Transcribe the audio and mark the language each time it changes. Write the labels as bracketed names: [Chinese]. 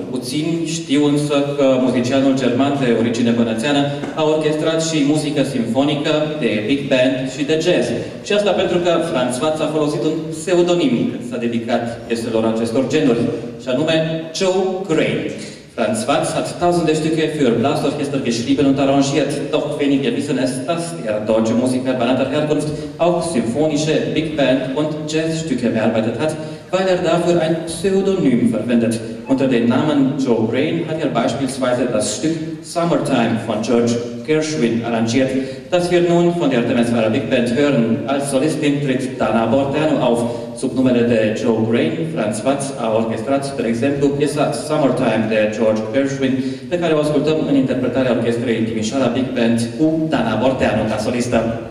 [Romanian] Puțin știu însă că muzicianul german de origine bănățeană a orchestrat și muzică simfonică, de big band și de jazz. Și asta pentru că Franz Watt a folosit un pseudonim când s-a dedicat pieselor acestor genuri, și anume Joe Gray. [German] Franz Watt hat tausende Stücke für Blasorchester geschrieben und arrangiert. Doch wenige wissen es, dass er deutsche Musiker banater Herkunft auch symphonische Big Band und Jazzstücke bearbeitet hat, weil er dafür ein Pseudonym verwendet. Unter dem Namen Joe Gray hat er beispielsweise das Stück Summertime von George Gershwin arrangiert, das wir nun von der Temeswarer Big Band hören. Als Solistin tritt Dana Bordano auf. [Romanian] Subnumele de Joe Gray, Franz Watt a orchestrat, per exemplu, piesa Summertime de George Gershwin, pe care o ascultăm în interpretarea orchestrei Timișoara Big Band cu Dana Bordano ca solistă.